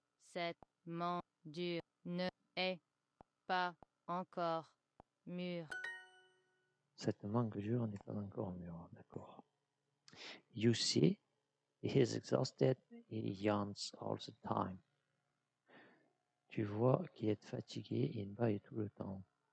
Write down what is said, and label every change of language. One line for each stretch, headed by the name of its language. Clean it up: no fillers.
French: Cette mangue dure ne est pas encore mûre. Cette mangue dure n'est pas encore mûre, d'accord.
English: You see, he is exhausted, he yawns all the time.
French: Tu vois qu'il est fatigué et il baille tout le temps.